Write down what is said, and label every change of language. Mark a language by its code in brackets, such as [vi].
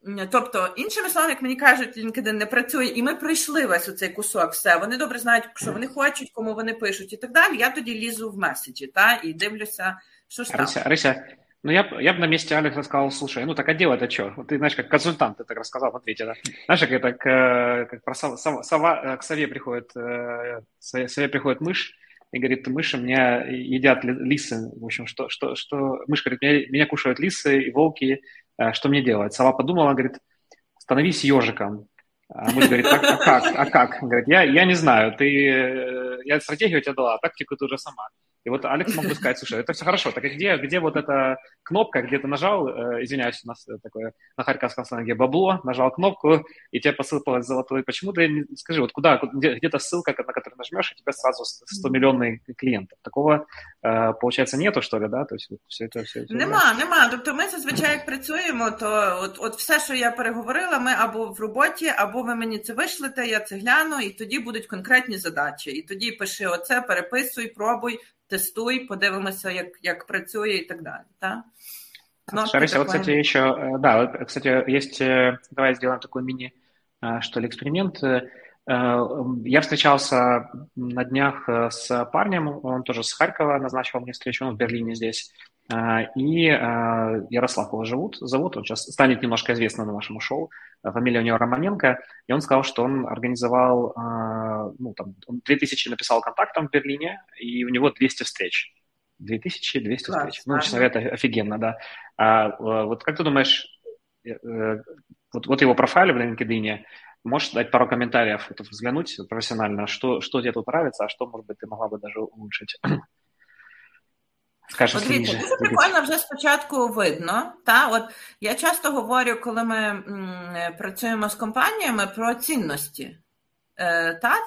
[uk] Тобто, іншими словами, як мені кажуть, LinkedIn не працює, і ми пройшли весь оцей кусок, все, вони добре знають, що вони хочуть, кому вони пишуть і так далі, я тоді лізу в меседжі, та, і дивлюся, що ж там. Рися, ну я б на місці Алекса сказав, [ru] слушай, ну так, а діло-то чо? [uk] Ти, знаєш, як консультант, ти так розказав, ответі, да? Знаєш, як я так, як про сова, [ru] к сові приходить, сові приходить миш, и говорит, мыши мне едят лисы, в общем, что мышь говорит, меня кушают лисы и волки, что мне делать? Сова подумала, говорит, становись ежиком. А мышь говорит, а как? Говорит, я не знаю, я стратегию тебе дала, а тактику ты уже сама. И вот Алекс мог бы сказать, слушай, это все хорошо, так где вот эта кнопка, где ты нажал, извиняюсь, у нас такое на харьковском сленге бабло, нажал кнопку, и тебе посыпалось золотое. Почему ты, скажи, вот куда, где-то ссылка, на которую нажмешь, и тебе сразу 100-миллионный клиент. Такого, получается, нету, что ли, да? То есть все это... [uk] Нема. Тобто ми, зазвичай, як працюємо, то от все, що я переговорила, ми або в роботі, або ви мені це вишлите, я це гляну, і тоді будуть конкретні задачі. І тоді пиши оце, переписуй, пробуй. Тестуй, подивимося, як працює і так далі, так? Шарися, от, кстати, ще, да, кстати, є, давай зробимо такий міні, що ли, експеримент. [ru] Я встречался на днях з парнем, он тоже з Харкова, назначив мені встречу, он в Берліні здесь. И Ярослав его зовут, он сейчас станет немножко известным на нашем шоу, фамилия у него Романенко, и он сказал, что он организовал, ну там, он 2000 написал контактом в Берлине, и у него 200 встреч. 2200 да, встреч. Ну, честно говоря, это офигенно, да. А вот как ты думаешь, вот его профайл в LinkedIn, можешь дать пару комментариев, вот, взглянуть профессионально, что тебе тут нравится, а что, может быть, ты могла бы даже улучшить? [uk] Подивіться, дуже прикольно вже спочатку видно. Та? От я часто говорю, коли ми працюємо з компаніями, про цінності. Та?